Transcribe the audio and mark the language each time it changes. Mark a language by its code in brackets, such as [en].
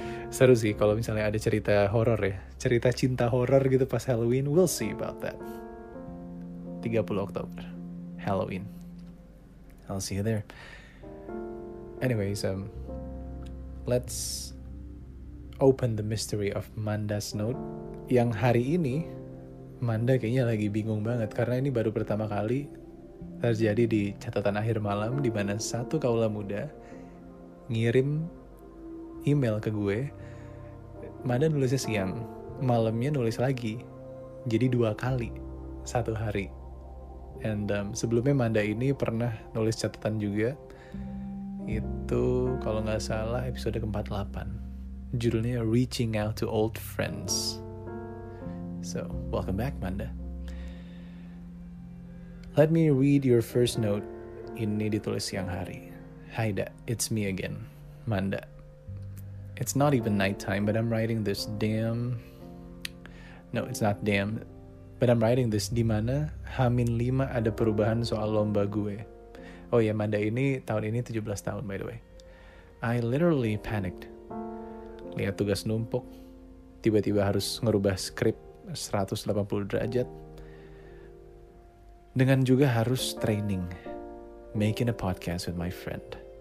[id] Seru sih kalau misalnya ada cerita horor ya, cerita cinta horor gitu pas Halloween. [en] We'll see about that. 30 Oktober, Halloween. I'll see you there. Anyways, let's open the mystery of Manda's note. [id] Yang hari ini Manda kayaknya lagi bingung banget karena ini baru pertama kali terjadi di catatan akhir malam di mana satu kaula muda ngirim email ke gue. Manda nulisnya siang, malamnya nulis lagi. Jadi dua kali satu hari. And sebelumnya Manda ini pernah nulis catatan juga. Itu kalau gak salah episode ke-48. [en] Judulnya Reaching Out to Old Friends. So, welcome back Manda. Let me read your first note. [id] Ini ditulis siang hari. [en] Hi da, it's me again, Manda. It's not even nighttime, but I'm writing this damn... No, it's not damn... But I'm writing this [id] di mana H-5 ada perubahan soal lomba gue. Oh ya, Manda ini tahun ini 17 tahun [en] by the way. I literally panicked. [id] Lihat tugas numpuk, tiba-tiba harus ngerubah skrip 180 derajat. Dengan juga harus [en] training, making a podcast with my friend.